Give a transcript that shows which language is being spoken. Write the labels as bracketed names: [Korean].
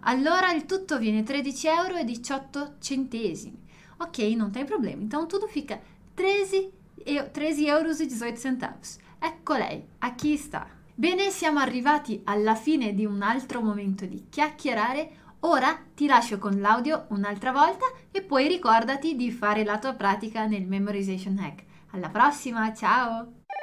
[Italian] Allora il tutto viene 13 euro e 18 centesimi. [Portuguese] Ok, non tem problema. Então tudo fica 13 euros e 18 centavos. [Italian] Ecco lei, a chi sta? Bene, siamo arrivati alla fine di un altro momento di chiacchierare. Ora ti lascio con l'audio un'altra volta e poi ricordati di fare la tua pratica nel Memorization Hack. Alla prossima, ciao!